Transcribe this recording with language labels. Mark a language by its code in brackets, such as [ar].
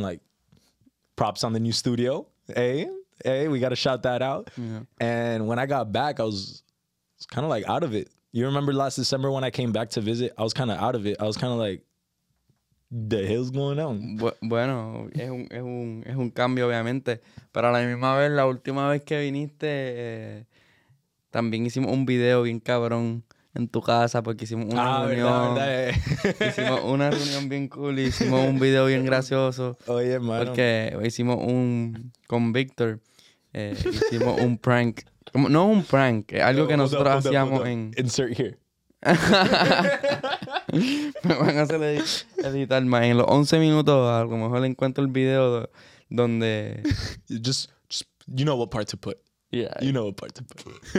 [en] Like, props on the new studio. Hey, we got to shout that out. Yeah. And when I got back, I was was kind of like out of it. You remember last December when I came back to visit? I was kind of out of it. I was kind of like, the hell's going on? [es] Bueno, es un cambio, obviamente. Pero a la misma vez, la última vez que viniste, también hicimos un video bien cabrón en tu casa porque hicimos una reunión. Hicimos una reunión bien cool y hicimos un video bien gracioso. Oye, hermano. Porque hicimos un... Con Víctor, hicimos un prank. Como, no un prank, es algo que nosotros hacíamos en... [en] Insert here. [es] Me van a hacer editar más. En los 11 minutos, a lo mejor encuentro el video donde... [en] Just, you know what part to put. Yeah. You know what part to put.